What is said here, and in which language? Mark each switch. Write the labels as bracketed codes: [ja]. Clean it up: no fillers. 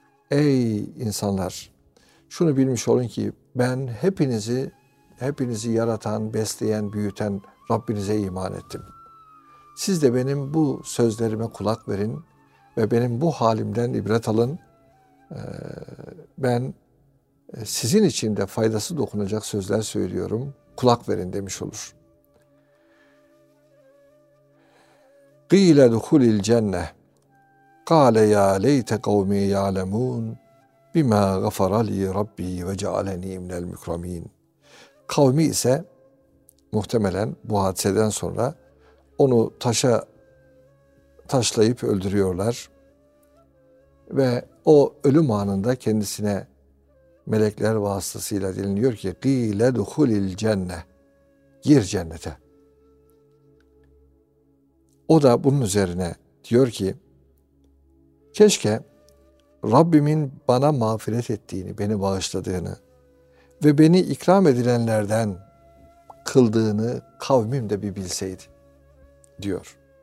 [tr] Ey insanlar, şunu bilmiş olun ki ben hepinizi yaratan, besleyen, büyüten Rabbinize iman ettim. Siz de benim bu sözlerime kulak verin ve benim bu halimden ibret alın. Ben sizin için de faydası dokunacak sözler söylüyorum. Kulak verin demiş olur. [ar] قِيلَ دُخُلِ الْجَنَّةِ قَالَ يَا لَيْتَ قَوْمِي يَعْلَمُونَ بِمَا غَفَرَ لِي رَبِّي وَجَعَلَنِي مِنَ الْمُكْرَمِينَ [tr] Kavmi ise muhtemelen bu hadiseden sonra onu taşlayıp öldürüyorlar. Ve o ölüm anında kendisine melekler vasıtasıyla deniliyor ki [ar] قِيلَ دُخُلِ الْجَنَّةِ [tr] Gir cennete. O da bunun üzerine diyor ki keşke Rabbimin bana mağfiret ettiğini, beni bağışladığını ve beni ikram edilenlerden kıldığını kavmim de bir bilseydi diyor.